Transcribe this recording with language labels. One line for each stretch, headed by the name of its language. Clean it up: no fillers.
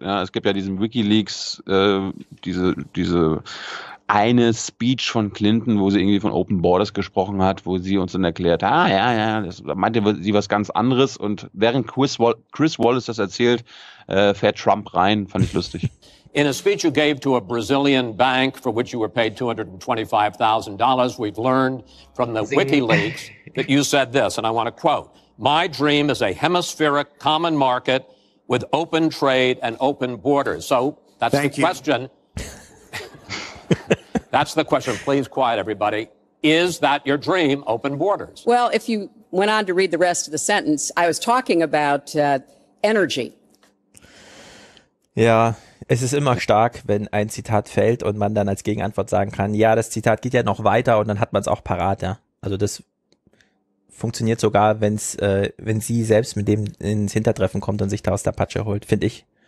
German: Ja, es gibt ja diesen WikiLeaks, diese eine Speech von Clinton, wo sie irgendwie von Open Borders gesprochen hat, wo sie uns dann erklärt, da meinte sie was ganz anderes. Und während Chris Wallace das erzählt, fährt Trump rein, fand ich lustig.
English: In a speech you gave to a Brazilian bank for which you were paid $225,000, we've learned from the WikiLeaks that you said this, and I want to quote, "My dream is a hemispheric common market with open trade and open borders." So that's the question. That's the question. Please quiet everybody. Is that your dream, open borders? Well, if you went on to read the rest of the sentence, I was talking about energy.
German: Ja, es ist immer stark, wenn ein Zitat fällt und man dann als Gegenantwort sagen kann, ja, das Zitat geht ja noch weiter und dann hat man es auch parat, ja. Also das funktioniert sogar, wenn sie selbst mit dem ins Hintertreffen kommt und sich da aus der Patsche holt, finde ich.